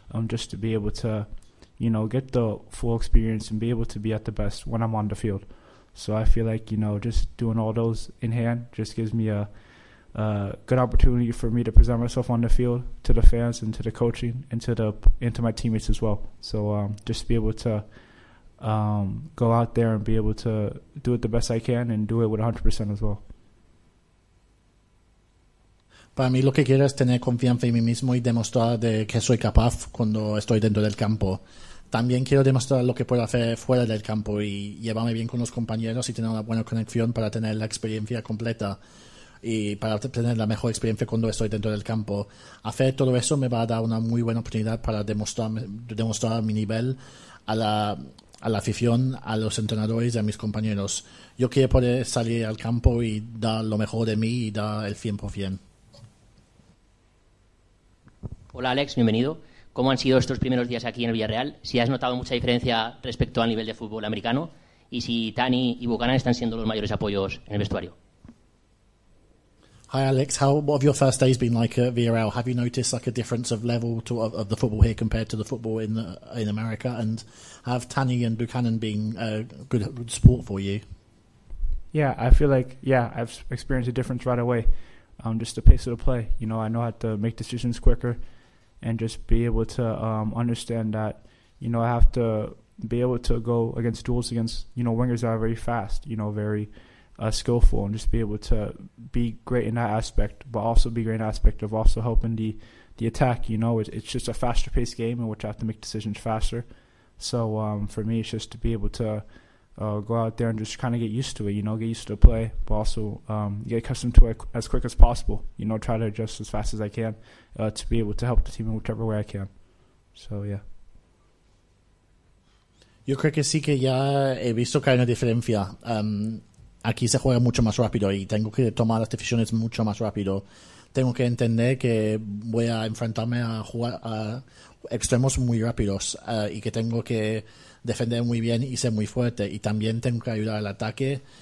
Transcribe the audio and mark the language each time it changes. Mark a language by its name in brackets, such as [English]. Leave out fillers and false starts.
[English] Just to be able to, you know, get the full experience and be able to be at the best when I'm on the field. So I feel like, you know, just doing all those in hand just gives me a good opportunity for me to present myself on the field to the fans and to the coaching and to my teammates as well. So just be able to go out there and be able to do it the best I can and do it with 100% as well. [Spanish] Para mí lo que quiero es tener confianza en mí mismo y demostrar de que soy capaz cuando estoy dentro del campo. También quiero demostrar lo que puedo hacer fuera del campo y llevarme bien con los compañeros y tener una buena conexión para tener la experiencia completa y para tener la mejor experiencia cuando estoy dentro del campo. Hacer todo eso me va a dar una muy buena oportunidad para demostrar mi nivel a la afición, a los entrenadores y a mis compañeros. Yo quiero poder salir al campo y dar lo mejor de mí y dar el 100%. Hola Alex, bienvenido. ¿Cómo han sido estos primeros días aquí en el Villarreal? ¿Si has notado mucha diferencia respecto al nivel de fútbol americano? ¿Y si Tani y Buchanan están siendo los mayores apoyos en el vestuario? [English] Hi Alex, what have your first days been like at Villarreal? Have you noticed like a difference of level of the football here compared to the football in America? And have Tani and Buchanan been a good support for you? Yeah, I feel like, I've experienced a difference right away. Just the pace of the play. You know how to make decisions quicker and just be able to understand that, you know, I have to be able to go against duels against, you know, wingers that are very fast, you know, very skillful, and just be able to be great in that aspect, but also be great in that aspect of also helping the attack. You know, it's just a faster paced game in which I have to make decisions faster. So for me, it's just to be able to go out there and just kind of get used to it, you know, get used to the play, but also get accustomed to it as quick as possible, you know, try to adjust as fast as I can to be able to help the team in whichever way I can. So, yeah. [Spanish] Yo creo que sí que ya he visto que hay una diferencia. Aquí se juega mucho más rápido y tengo que tomar las decisiones mucho más rápido. Tengo que entender que voy a enfrentarme a jugar a extremos muy rápidos y que tengo que defender muy bien y ser muy fuerte, y también tengo que ayudar al ataque.